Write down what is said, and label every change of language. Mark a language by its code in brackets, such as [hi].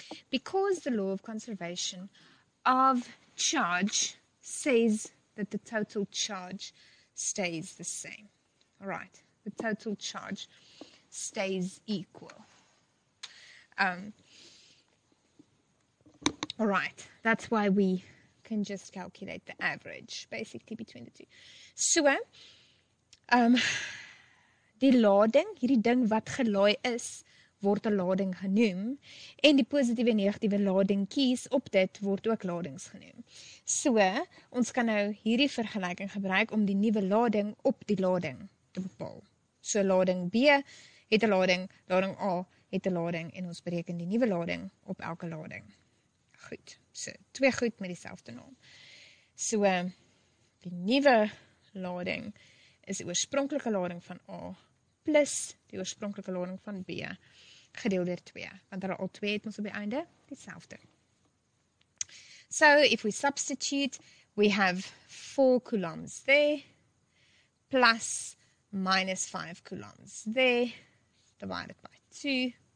[en] Because the law of conservation of charge says that the total charge stays the same. All right, the total charge stays equal. All right, that's why we can just calculate the average, basically, between the two. [af] So, die lading, hierdie ding wat gelaai is, word 'n lading genoem, en die positiewe en negatiewe lading kies op dit word ook ladings genoem. So, ons kan nou hierdie vergelyking gebruik om die nuwe lading op die lading te bepaal. So, lading B het 'n lading, lading A het 'n lading, en ons bereken die nuwe lading op elke lading. Goed, so, twee goed met dieselfde naam. So, die nuwe lading is die oorspronklike lading van A plus die oorspronklike lading van B gedeel deur 2, want daar al 2 het ons op die einde dieselfde. [en] So, if we substitute, we have 4 coulombs there plus minus 5 coulombs there divided by 2.